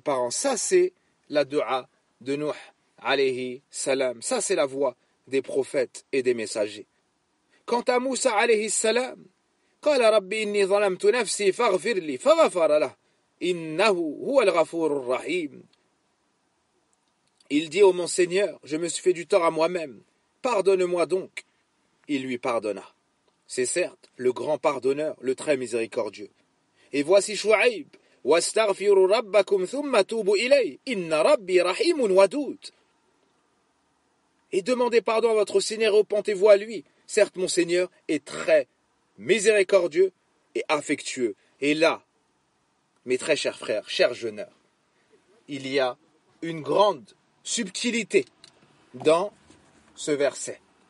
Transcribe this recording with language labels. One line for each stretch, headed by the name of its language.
French: Ça, c'est la dua de Nuh. Alayhi salam. Ça, c'est la voix des prophètes et des messagers. Quant à Moussa,
Arabic: alayhi salam, قال ربي إني ظلمت نفسي فاغفر لي فغفر له إنه هو الغفور الرحيم.
French: Il dit au mon Seigneur, je me suis fait du tort à moi-même, pardonne-moi donc. Il lui pardonna. C'est certes le grand pardonneur, le très miséricordieux. Et voici
Arabic: Shu'aib, واستغفروا ربكم ثم توبوا إليه إن ربي رحيم ودود.
French: Et demandez pardon à votre Seigneur, repentez-vous à lui. Certes, mon Seigneur est très miséricordieux et affectueux. Et là, mes très chers frères, chers jeûneurs, il y a une grande subtilité dans ce verset.